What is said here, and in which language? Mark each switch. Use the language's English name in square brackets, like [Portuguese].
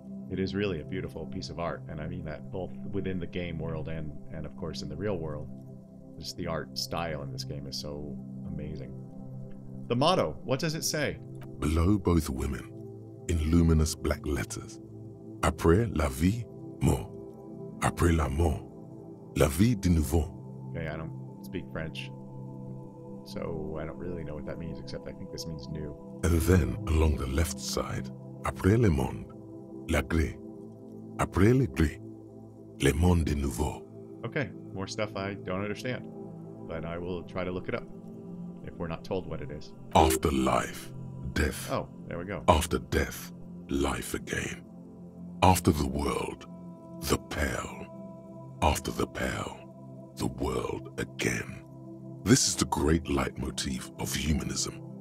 [English] It is really a beautiful piece of art, and I mean that both within the game world and of course in the real world. Just the art style in this game is so amazing. The motto, what does it say? Below both women, in luminous black letters. [French] Après la vie, mort. Après la mort, la vie de nouveau. [English] Okay, I don't speak French, so I don't really know what that means, except I think this means new. And then, along the left side, [French] après le monde, la gris. Après le gris, le monde de nouveau. [English] Okay, more stuff I don't understand, but I will try to look it up if we're not told what it is. After life, death. Oh, there we go. After death, life again. After the world, the pale. After the pale, the world again. This is the great leitmotif of humanism,